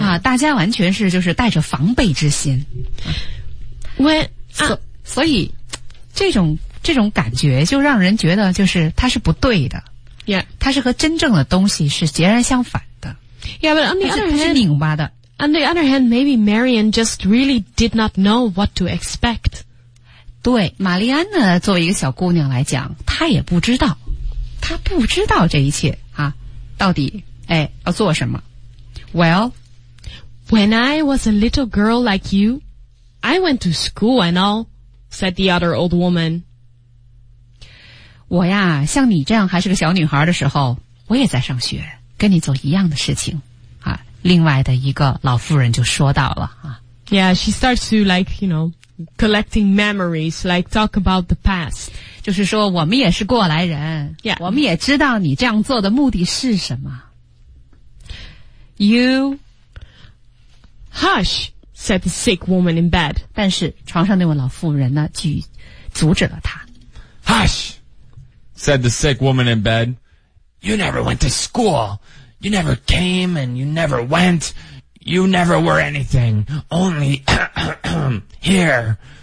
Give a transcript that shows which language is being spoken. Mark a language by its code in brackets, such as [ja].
[zh] 啊大家完全是就是带着防备之心。所以这种感觉就让人觉得就是它是不对的。 [en] Yeah. [zh] 它是和真正的东西是截然相反的。 [en] Yeah, but on the other hand, [zh] 它是拧巴的。 [en] On the other hand, maybe Marian just really did not know what to expect. [zh] 对，玛丽安呢，作为一个小姑娘来讲，她也不知道。她不知道这一切啊，到底，哎，要做什么。 [en] Well, when I was a little girl like you, I went to school and all, said the other old woman. [zh] 我呀像你这样还是个小女孩的时候我也在上学跟你做一样的事情啊。另外的一个老妇人就说到了啊。 [en] Yeah, she starts to like, you know, collecting memories, like talk about the past. [zh] 就是说我们也是过来人。 [en] Yeah. [zh] 我们也知道你这样做的目的是什么。 [en] You hush, said the sick woman in bed. [zh] 但是床上那位老妇人呢举阻止了她。 [en] Hush, said the sick woman in bed. You never went to school. You never came and you never went. You never were anything, only here.